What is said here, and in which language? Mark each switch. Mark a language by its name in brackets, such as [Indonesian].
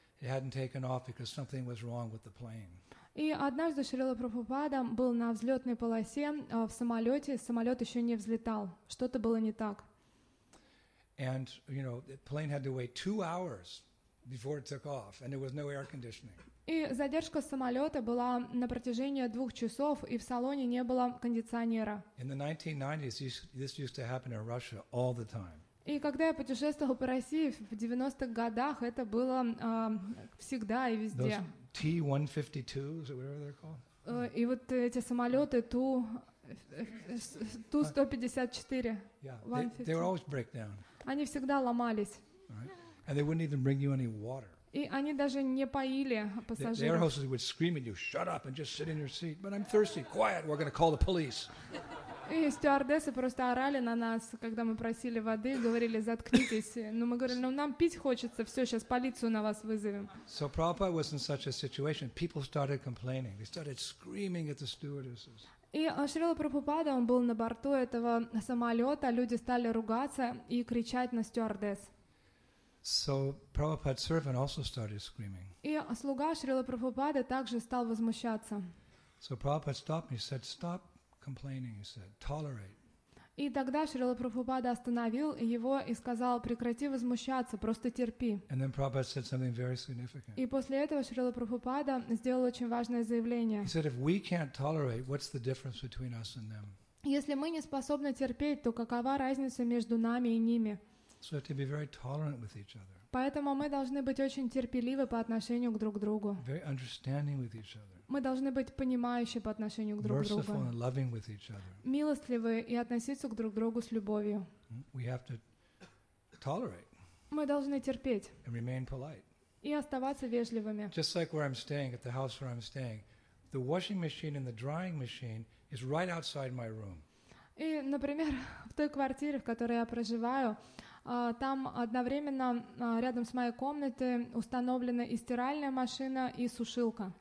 [English] It hadn't taken off because something was wrong with the plane. [Russian] И однажды Шрила Прабхупада был на взлетной полосе в самолете. Самолет еще не взлетал. Что-то было не так. [English] And you know, the plane had to wait 2 hours before it took off, and there was no air conditioning. [Russian] И задержка самолета была на протяжении 2 часов, и в салоне не было кондиционера. [English] In the 1990s, this used to happen in Russia all the time. [Russian] И когда я путешествовал по России в 90-х годах, это было всегда и везде. [English] Those T-152s, or whatever they're called? [Russian] И вот эти самолеты Ту-154. [English] They were always break down. [Russian] Они всегда ломались. [English] Right. And they wouldn't even bring you any water. [Russian] И они даже не поили пассажиров. [English] air hostess would scream at you, shut up and just sit in your seat. But I'm thirsty. Quiet, we're going to call the police. [Russian] И стюардессы просто орали на нас, когда мы просили воды, говорили, заткнитесь. Но мы говорили, ну нам пить хочется, все, сейчас полицию на вас вызовем. [English] So Prabhupada was in such a situation. People started complaining. They started screaming at the stewardesses. [Russian] И Шрила Прабхупада, он был на борту этого самолета, люди стали ругаться и кричать на стюардесс. [English] So Prabhupada's servant also started screaming. [Russian] И слуга Шрила Прабхупады также стал возмущаться. [English] So Prabhupada stopped me, said, "Stop complaining," he said, "Tolerate." [Russian] И тогда Шрила Прабхупада остановил его и сказал: "Прекрати возмущаться, просто терпи." [English] And then Prabhupada said something very significant. [Russian] И после этого Шрила Прабхупада сделал очень важное заявление. [English] He said, "If we can't tolerate, what's the difference between us and them?" [Russian] Если мы не способны терпеть, то какова разница между нами и ними? [English] So we have to be very tolerant with each other. [Russian] Поэтому мы должны быть очень терпеливы по отношению к друг другу. [English] Very understanding with each other. [Russian] Мы должны быть понимающи по отношению к друг другу. [English] Merciful and loving with each other. [Russian] Милостливы и относиться к друг другу с любовью. [English] We have to tolerate. [Russian] Мы должны терпеть. [English] And remain polite. [Russian] И оставаться вежливыми. [English] Just like where I'm staying, at the house where I'm staying, the washing machine and the drying machine is right outside my room. [Russian] И, например, в той квартире, в которой я проживаю, там одновременно рядом с моей комнатой установлена и стиральная машина, и сушилка.